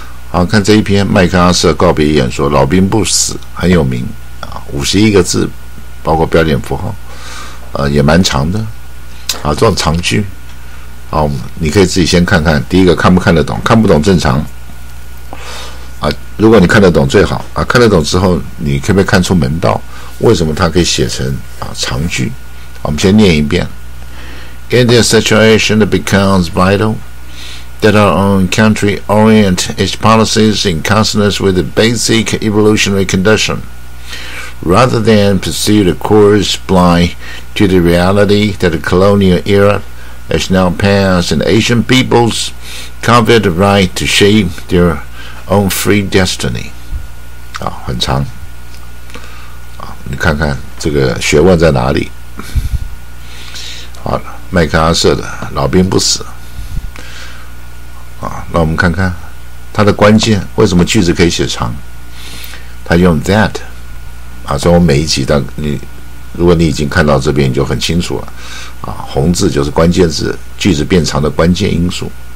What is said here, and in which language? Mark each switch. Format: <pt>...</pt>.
<zh>好，看这一篇麦克阿瑟告别演说，老兵不死很有名啊，51个字，包括标点符号，也蛮长的啊，这种长句啊，你可以自己先看看。第一个看不看得懂，看不懂正常啊，如果你看得懂最好啊，看得懂之后你可不可以看出门道？为什么他可以写成啊长句？我们先念一遍。</zh> <en>In this situation, it becomes vital that our own country orient its policies in consonance with the basic evolutionary condition, rather than pursue the course blind to the reality that the colonial era has now passed and Asian peoples covet the right to shape their own free destiny.</en> <zh>啊，很长。啊，你看看这个学问在哪里？好了。麦克阿瑟的老兵不死啊，那我们看看他的关键，为什么句子可以写长？他用 that 啊，所以我每一集，但你如果你已经看到这边，你就很清楚了啊，红字就是关键字，句子变长的关键因素。</zh>